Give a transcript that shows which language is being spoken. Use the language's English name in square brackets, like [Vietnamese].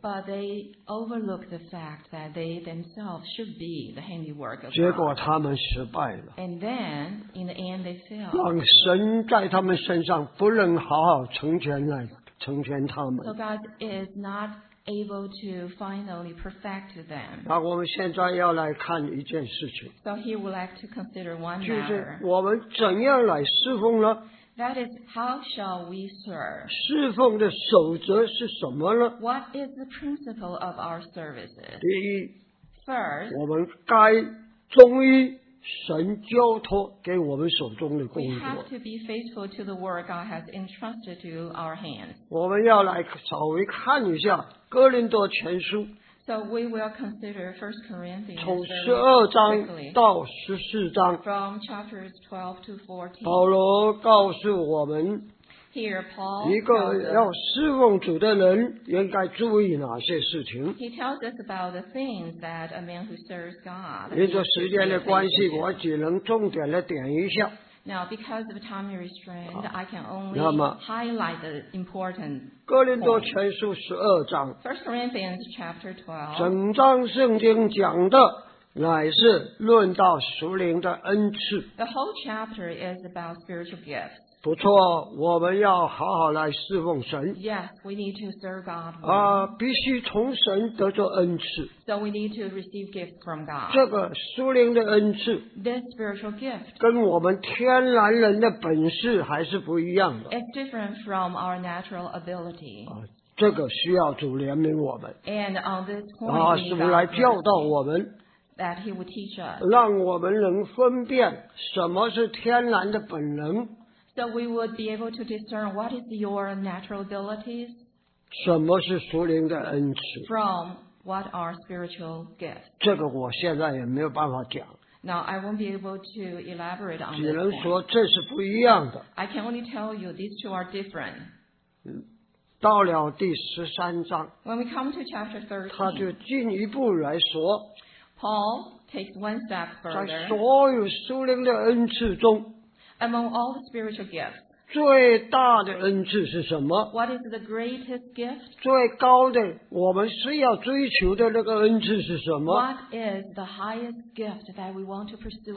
[English] But they overlook the fact that they themselves should be the handiwork of God. [Chinese] 结果他们失败了。 [English] And then, in the end, they failed. [Chinese] 让神在他们身上不能好好成全来成全他们。 [English] So God is not able to finally perfect them. [Chinese] 那我们现在要来看一件事情。 [English] So he would like to consider one matter. [Chinese] 就是我们怎样来侍奉呢？ [English] That is, how shall we serve? [Chinese] 侍奉的守则是什么呢？ [English] What is the principle of our services? [Chinese] 第一， [English] First, [Chinese] 我们该忠于神交托给我们手中的工作。 [English] We have to be faithful to the work God has entrusted to our hands. [Chinese] 我们要来稍微看一下哥林多前书。 [English] So we will consider 1 Corinthians. [Chinese] 从十二章到十四章。 [English] From chapters 12 to 14. [Chinese] 保罗告诉我们。 [English] Here, Paul. [Chinese] 一个要侍奉主的人应该注意哪些事情 [English] He tells us about the things that a man who serves God. [Chinese] 因着时间的关系我只能重点的点一下 [English] Now, because of time restraint, I can only highlight the importance. [Chinese] 哥林多前书十二章。 [English] First Corinthians chapter 12. [Chinese] 整章圣经讲的乃是论到属灵的恩赐。 [English] The whole chapter is about spiritual gifts. [Chinese] 不错，我们要好好来侍奉神。 [English] Yes, we need to serve God. [Chinese] 啊，必须从神得着恩赐。 [English] So we need to receive gifts from God. [Chinese] 这个属灵的恩赐。 [English] This spiritual gift. [Chinese] 跟我们天然人的本事还是不一样的。 [English] It's different from our natural ability. [Chinese] 这个需要主怜悯我们。 [English] And on this point, [Chinese] 啊，是不是来教导我们？ [English] That he would teach us. [Chinese] 让我们能分辨什么是天然的本能。 [English] So we would be able to discern what is your natural abilities. [Chinese] 什么是属灵的恩赐。 [English] From what are spiritual gifts. [Chinese] 这个我现在也没有办法讲。 [English] Now I won't be able to elaborate on this. [Chinese] 只能说这是不一样的。 [English] I can only tell you these two are different. [Chinese] 到了第十三章。 [English] When we come to chapter 13. [Chinese] 他就进一步来说。 [English] Paul takes one step further. [Chinese] 在所有属灵的恩赐中 [English] ，Among all the spiritual gifts， [Chinese] 最大的恩赐是什么 [English] ？What is the greatest gift？ [Chinese] 最高的，我们是要追求的那个恩赐是什么 [English] ？What is the highest gift that we want to pursue？